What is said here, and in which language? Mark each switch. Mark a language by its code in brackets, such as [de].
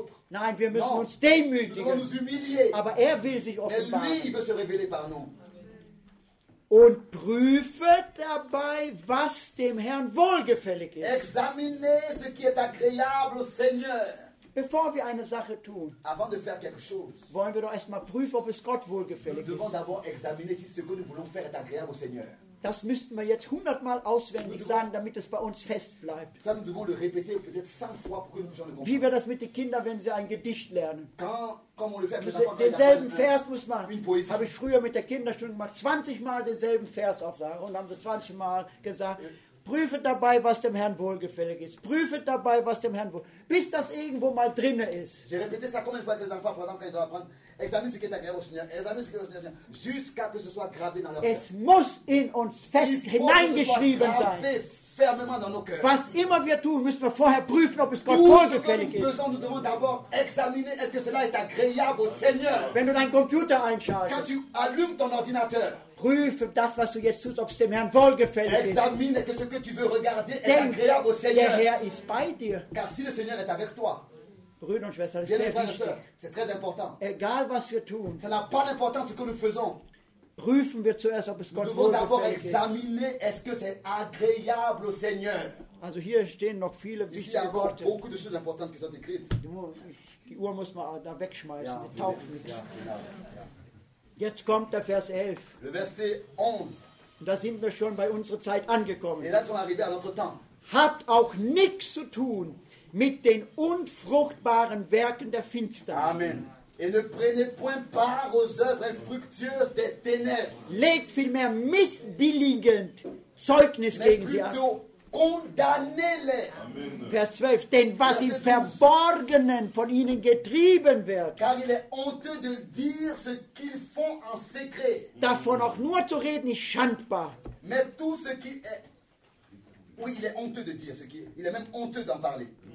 [de] Nein, wir müssen uns demütigen. Aber er will sich offenbaren. Und prüfet dabei, was dem Herrn wohlgefällig ist. [fr] Examinez ce qui est agréable au Seigneur. [de] Bevor wir eine Sache tun, [fr] avant de faire quelque chose, [de] wollen wir doch erstmal prüfen, ob es Gott wohlgefällig [fr] nous devons [de] ist. [fr] D'abord examiner si ce que nous voulons faire est agréable au Seigneur. [de] Das müssten wir jetzt 100-mal auswendig sagen, damit es bei uns fest bleibt. [fr] Ça, nous devons le répéter peut-être 100 fois pour que nous puissions le comprendre. [de] Wie wir das mit den Kindern, wenn sie ein Gedicht lernen. [fr] Comme on le fait avec les enfants, [de] denselben Vers muss man, habe ich früher mit der Kinderstunde gemacht, 20-mal denselben Vers aufsagen und haben sie 20-mal gesagt, prüfe dabei, was dem Herrn wohlgefällig ist. Prüfe dabei, was dem Herrn wohlgefällig ist. Bis das irgendwo mal drinne ist. [fr] J'ai répété ça combien de fois avec les enfants, par exemple, quand ils doivent apprendre. Examine ce qui est agréable au Seigneur. Examine ce qui est agréable au Seigneur. Jusqu'à ce que ce soit gravé dans leur cœur. [de] Es muss in uns fest hineingeschrieben sein. [fr] Fermement dans nos cœurs. [de] Was immer wir tun, müssen wir vorher prüfen, ob es Gott wohlgefällig ist. [fr] Nous devons d'abord examiner, est-ce que cela est agréable au Seigneur. [de] Wenn du deinen Computer einschaltest. [fr] Quand tu allumes ton ordinateur. [de] Prüfe das, was du jetzt tust, ob es dem Herrn wohlgefällig ist. [fr] Examine ce que tu veux regarder est agréable au Seigneur. [de] Der Herr ist bei dir. [fr] Car si le Seigneur est avec toi. [de] Brüder und Schwestern, das ist sehr wichtig. [fr] C'est très important. [de] Egal was wir tun. [fr] Ça n'a pas d'importance ce que nous faisons. [de] Prüfen wir zuerst, ob es Gott wohlgefällig ist. [fr] Nous devons d'abord examiner, est-ce que c'est agréable au Seigneur. [de] Also hier stehen noch viele wichtige Worte. [fr] Ici, il y a encore beaucoup de choses importantes qui sont écrites. [de] Die Uhr muss man da wegschmeißen, ja, die taucht nichts. Ja, genau. Jetzt kommt der Vers 11. [fr] Le verset 11. [de] Da sind wir schon bei unserer Zeit angekommen. [fr] Et là, nous sommes arrivés à notre temps. [de] Hat auch nichts zu tun mit den unfruchtbaren Werken der Finsternis. Amen. [fr] Et ne prenez point part aux œuvres infructueuses des ténèbres. [de] Legt vielmehr missbilligend Zeugnis gegen sie an. [fr] Mais plutôt condamnez-les. [de] Vers 12. Denn was im Verborgenen von ihnen getrieben wird. [fr] Car il est honteux de dire ce qu'ils font en secret. [de] Davon auch nur zu reden ist schandbar. [fr] Mais tout ce qui est... Oui, il est honteux de dire ce qui est... Il est même honteux d'en parler.